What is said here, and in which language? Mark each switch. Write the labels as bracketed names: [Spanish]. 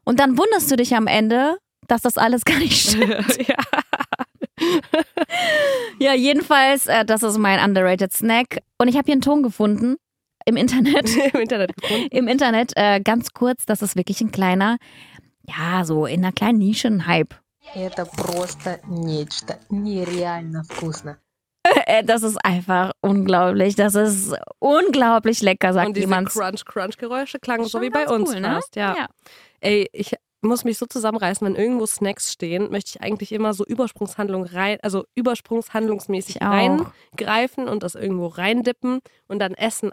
[German] Und dann wunderst du dich am Ende, dass das alles gar nicht stimmt. Ja. Ja, jedenfalls, das ist mein underrated Snack. Und ich habe hier einen Ton gefunden, im Internet. Im Internet gefunden? Im Internet, ganz kurz, das ist wirklich ein kleiner, so in einer kleinen Nische ein Hype. [Russian] Это просто нечто, нереально вкусно. [German] Das ist einfach unglaublich. Das ist unglaublich lecker, sagt jemand. Und diese jemand. Crunch-Crunch-Geräusche klangen so wie bei uns cool, fast. Ne? Ja. Ey, ich muss mich so zusammenreißen, wenn irgendwo Snacks stehen, möchte ich eigentlich immer so übersprungshandlungsmäßig reingreifen und das irgendwo reindippen und dann essen.